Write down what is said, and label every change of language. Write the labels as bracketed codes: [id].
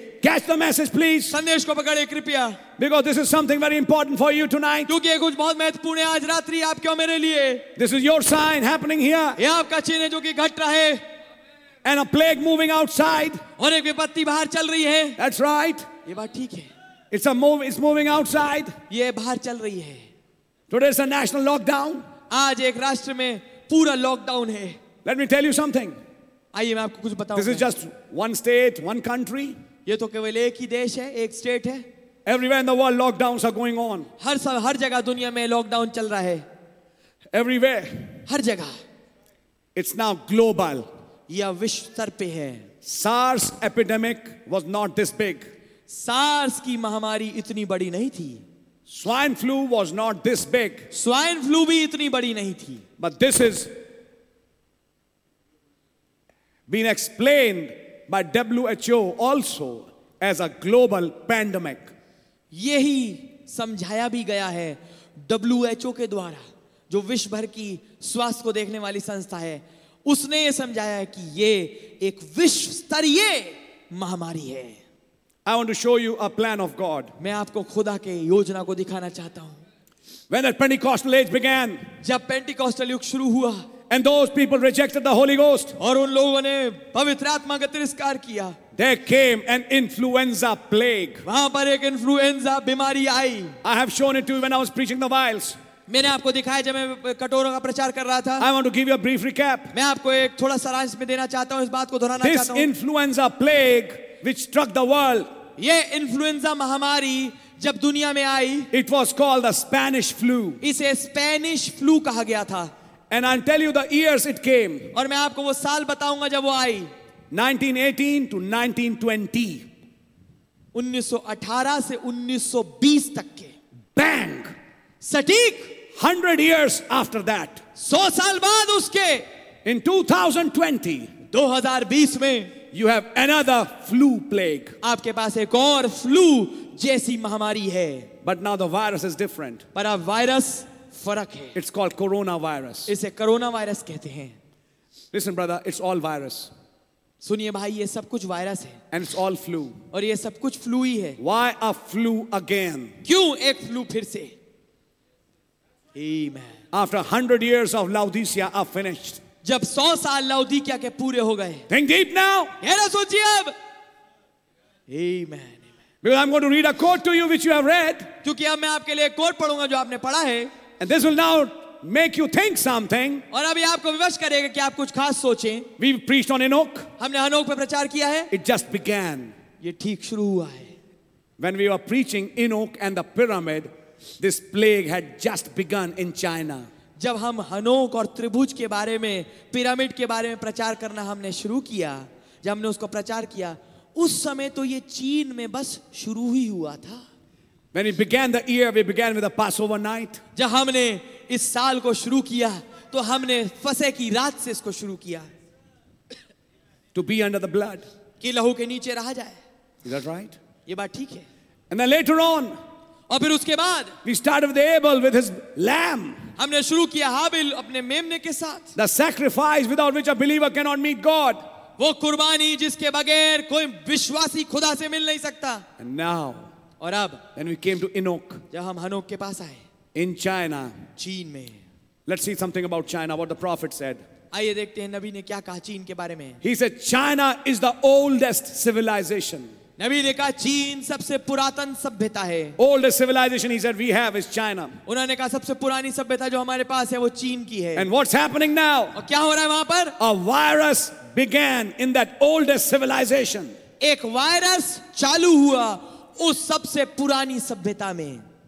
[en] Catch the message, please. [hi] संदेश को पकड़े कृपया. [en] Because this is something very important for you tonight. [hi] क्योंकि ये कुछ बहुत महत्वपूर्ण है आज रात्रि आपके और मेरे लिए. [en] This is your sign happening here. [hi] ये आपका चिन्ह है जो कि घट रहा है. [en] And a plague moving outside. [hi] और एक विपत्ति बाहर चल रही है. [en] That's right. [hi] ये बात ठीक है. [en] It's moving outside. [hi] ये बाहर चल रही है. [en] Today is a national lockdown. [hi] आज एक राष्ट्र में पूरा लॉकडाउन है. [en] Let me tell you something. [hi] आइए मैं आपको कुछ बताऊं. [en] This is just one state, one country. [hi] ये तो केवल एक ही देश है, एक स्टेट है. [en] Everywhere in the world, lockdowns are going on. [hi] हर जगह दुनिया में लॉकडाउन चल रहा है. [en] Everywhere. [hi] हर जगह. [en] It's now global. [hi] यह विश्व स्तर पे है. [en] SARS epidemic was not this big. [hi] SARS की महामारी इतनी बड़ी नहीं थी. [en] Swine flu was not this big. [hi] Swine flu भी इतनी बड़ी नहीं थी. [en] But this is been explained by WHO also as a global pandemic. [hi] यही समझाया भी गया है WHO के द्वारा, जो विश्व भर की स्वास्थ्य को देखने वाली संस्था है, उसने ये समझाया है कि ये एक विश्व स्तरीय महामारी है. [en] I want to show you a plan of God. [hi] मैं आपको खुदा के योजना को दिखाना चाहता हूँ. [en] When the Pentecostal age began, [hi] जब Pentecostal युग शुरू हुआ, [en] and those people rejected the Holy Ghost, [hi] और उन लोगों ने पवित्र आत्मा का तिरस्कार किया, [en] there came an influenza plague. [hi] वहाँ पर एक influenza बीमारी आई. [en] I have shown it to you when I was preaching the vials. [hi] मैंने आपको दिखाया जब मैं कटोरों का प्रचार कर रहा था. [en] I want to give you a brief recap. [hi] मैं आपको एक थोड़ा सारांश में देना चाहता हूँ, इस बात को दोहराना चाहता हूँ. [en] This influenza plague which struck the world. [hi] ये इन्फ्लुएंजा महामारी जब दुनिया में आई. [en] It was called the Spanish flu. [hi] इसे स्पेनिश फ्लू कहा गया था. [en] And I'll tell you the years it came. [hi] और मैं आपको वो साल बताऊंगा जब वो आई. [en] 1918 to 1920. [hi] 1918 से 1920 तक के. [en] Bang. [hi] सटीक. [en] 100 years after that. [hi] 100 साल बाद उसके. [en] In 2020. [hi] 2020 में. [en] You have another flu plague. [hi] आपके पास एक और फ्लू जैसी महामारी है. [en] But now the virus is different. [hi] पर अब वायरस फरक है. [en] It's called coronavirus. [hi] इसे कोरोना वायरस कहते हैं. [en] Listen brother, it's all virus. [hi] सुनिए भाई, ये सब कुछ वायरस है. [en] And it's all flu. [hi] और ये सब कुछ फ्लू ही है. [en] Why a flu again? [hi] क्यों एक फ्लू फिर से? Amen. [en] After 100 years of Laodicea are finished. [hi] जब 100 साल लौदीकिया के पूरे हो गए. [en] Think deep now. [hi] ये सोचिए अब. Amen. [en] Because I'm going to read a quote to you which you have read. [hi] क्योंकि अब मैं आपके लिए एक कोट पढ़ूंगा जो आपने पढ़ा है. [en] And this will now make you think something. [hi] और अभी आपको विवश करेगा कि आप कुछ खास सोचें. [en] We preached on Enoch. [hi] हमने अनोक पर प्रचार किया है. [en] It just began. [hi] ये ठीक शुरू हुआ है. [en] When we were preaching Enoch and the pyramid, this plague had just begun in China. [hi] जब हम हनोक और त्रिभुज के बारे में, पिरामिड के बारे में प्रचार करना हमने शुरू किया, जब हमने उसको प्रचार किया, उस समय तो ये चीन में बस शुरू ही हुआ था. [en] When it began the year, we began with a Passover night. [hi] जब हमने इस साल को शुरू किया, तो हमने फसे की रात से इसको शुरू किया. [en] To be under the blood. [hi] कि लहू के नीचे रहा जाए. [en] Is that right? [hi] ये बात ठीक है. [en] And then later on. [hi] और फिर उसके बाद. [en] We started with Abel with his lamb. [hi] हमने शुरू किया हाबिल अपने मेमने के साथ. [en] The sacrifice without which a believer cannot meet God. [hi] वो कुर्बानी जिसके बगैर कोई विश्वासी खुदा से मिल नहीं सकता. [en] And now. [hi] और अब. [en] Then we came to Enoch. [hi] जब हम हनोक के पास आए. [en] In China. [hi] चीन में. [en] Let's see something about China. What the prophet said. [hi] आइए देखते हैं नबी ने क्या कहा चीन के बारे में. [en] He said China is the oldest civilization. [hi] नबी ने कहा चीन सबसे पुरातन सभ्यता है. [en] Oldest civilization he said we have is China. [hi] उन्होंने कहा सबसे पुरानी सभ्यता जो हमारे पास है वो चीन की है. [en] And what's happening now? [hi] और क्या हो रहा है वहां पर? [en] A virus began in that oldest civilization. [hi] एक वायरस चालू हुआ उस सबसे पुरानी सभ्यता में.